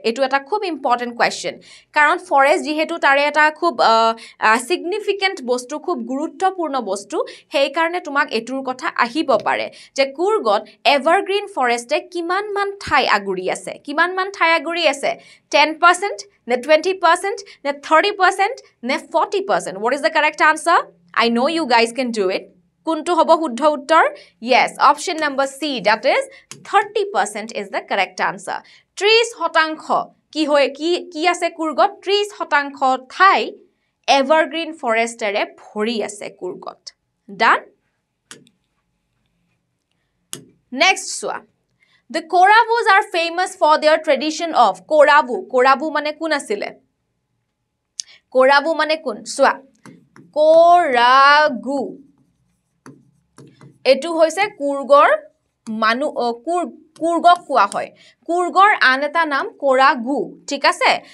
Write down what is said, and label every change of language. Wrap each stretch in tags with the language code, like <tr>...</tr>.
<as>এইটো এটা খুব ইম্পৰ্টেণ্ট কুৱেশ্যন, কাৰণ ফৰেষ্ট যিহেতু তাৰে এটা খুব ছিগনিফিকেণ্ট বস্তু, খুব গুৰুত্বপূৰ্ণ বস্তু, সেইকাৰণে তোমাক এইটোৰ কথা আহিব পাৰে যে কুৰ্গত এভাৰগ্ৰীণ ফৰেষ্টে কিমানমান ঠাই আগুৰি আছে, কিমানমান ঠাই আগুৰি আছে, 10% নে 20% নে 30% নে 40%,</as> <en>What is the correct answer? I know' you guys can do it,</en> <as>কোনটো হ'ব শুদ্ধ উত্তৰ?</as> <en>Yes, option number C, that is 30% is the correct answer.</en> <as>30% কি হয়, কি আছে কুৰ্গত? 30% ঠাই এভাৰগ্ৰীণ ফৰেষ্টেৰে ভৰি আছে কুৰ্গত। ডান, নেক্সট চোৱা,</as> <en>the Kodavas are famous for their tradition of Kodava,</en> <as>কোৰাভু মানে কোন আছিলে, কোৰাভু মানে কোন চোৱা, কোৰাগু এইটো হৈছে কুৰ্গৰ মানুহ, কুৰ্গক কোৱা হয়, কুৰ্গৰ আন এটা নাম কোৰাগু, ঠিক আছে?</as>